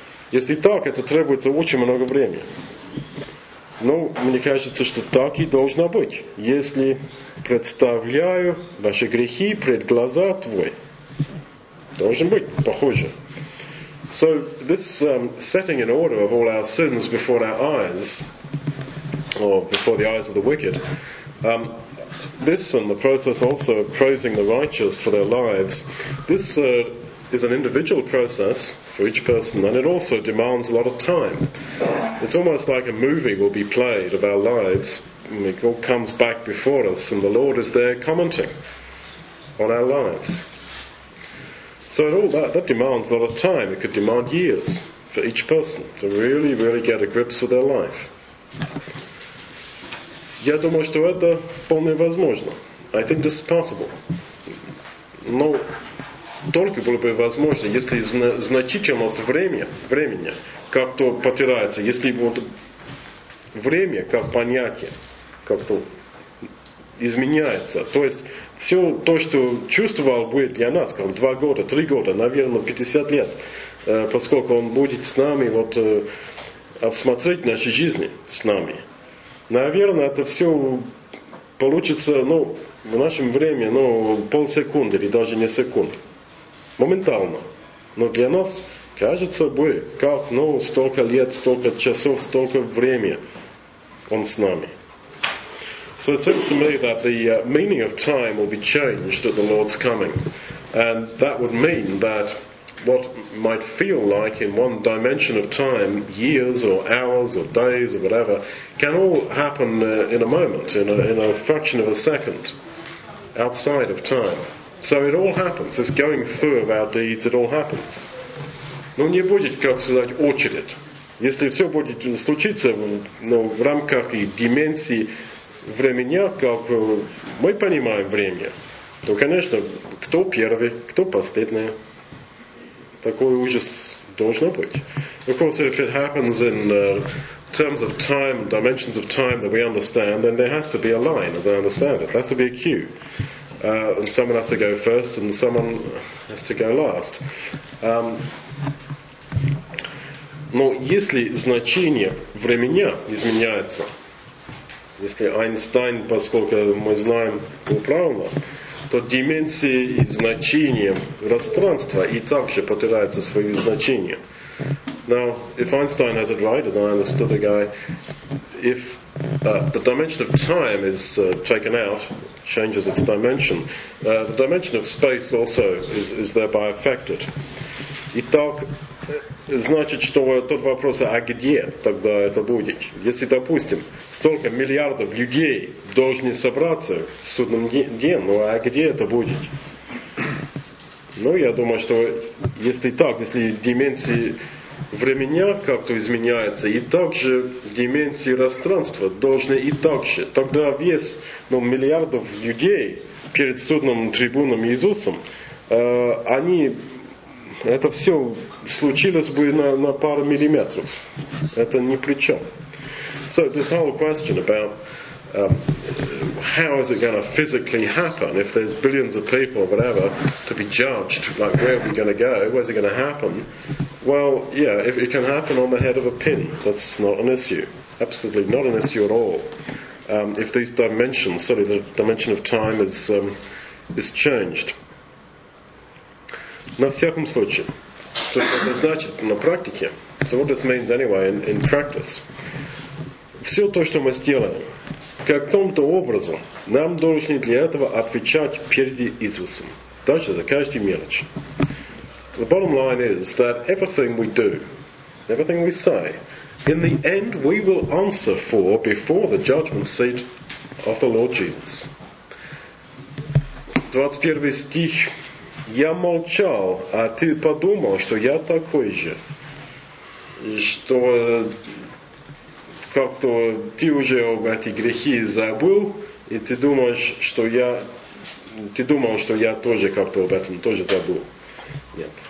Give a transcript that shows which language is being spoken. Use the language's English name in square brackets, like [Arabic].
[Russian] Если так, это требуется очень много времени. Ну, мне кажется, что так и должно быть, если представляю наши грехи пред глаза твои. Должен быть похоже. [English] So this setting in order of all our sins before our eyes, or before the eyes of the wicked, this and the process also of praising the righteous for their lives, this is an individual process for each person, and it also demands a lot of time. It's almost like a movie will be played of our lives, and it all comes back before us, and the Lord is there commenting on our lives. So all that demands a lot of time. It could demand years for each person to really, really get a grip with their life. [Russian] Я думаю, что это вполне возможно. [English] I think this is possible. [Russian] Но только было бы возможно, если значительность времени как-то потеряется, если вот время как понятие как-то изменяется. То есть все то, что чувствовал, будет для нас, как 2 года, 3 года, наверное, 50 лет, поскольку он будет с нами, вот, осмотреть наши жизни с нами. Наверное, это все получится, ну, в нашем время, ну, полсекунды или даже не секунд. Моментально. Но для нас кажется бы, как, ну, столько лет, столько часов, столько времени он с нами. [English] So it seems to me that the meaning of time will be changed at the Lord's coming. And that would mean that what might feel like in one dimension of time, years or hours or days or whatever, can all happen in a moment, in a fraction of a second, outside of time. So it all happens. This going through of our deeds, it all happens. [Russian] Но не будет, как сказать, очередь. Если все будет случиться, ну, в рамках и дименсии времени, как мы понимаем время, то, конечно, кто первый, кто последний. Такой ужас должен быть. [English] Of course, if it happens in terms of time, dimensions of time that we understand, then there has to be a line, as I understand it. There has to be a queue. And someone has to go first, and someone has to go last. [Russian] Но если значение времени изменяется, если Эйнштейн, поскольку мы знаем, был правильно, то дименсии и значение пространства и также потеряются свои значения. [English] Now, if Einstein has it right, as I understood the guy, if the dimension of time is taken out, changes its dimension, the dimension of space also is thereby affected. [Russian] Итак, значит, что тот вопрос, а где тогда это будет? Если, допустим, столько миллиардов людей должны собраться в судном дне, ну а где это будет? Ну, я думаю, что если так, если дименсии времени как-то изменяются, и также дименсии пространства должны и так же, тогда вес, ну, миллиардов людей перед судным трибуном Иисусом, они... Это все случилось бы на пару миллиметров. Это ни при чем. [English] So this whole question about how is it going to physically happen if there's billions of people or whatever to be judged, like where are we going to go, where's it going to happen? Well, yeah, if it can happen on the head of a pin, that's not an issue. Absolutely not an issue at all. If these dimensions, sorry, the dimension of time is changed. [Russian] На всяком случае, что это значит на практике, [English] so what this means anyway in practice, [Russian] все то, что мы сделаем, каком-то образом, нам должны для этого отвечать перед Иисусом. Дальше за каждую мелочь. [English] The bottom line is that everything we do, everything we say, in the end we will answer for before the judgment seat of the Lord Jesus. [Russian] 21 стих. Я молчал, а ты подумал, что я такой же, что как-то ты уже об эти грехи забыл, и ты думаешь, что я, ты думал, что я тоже как-то об этом тоже забыл. Нет.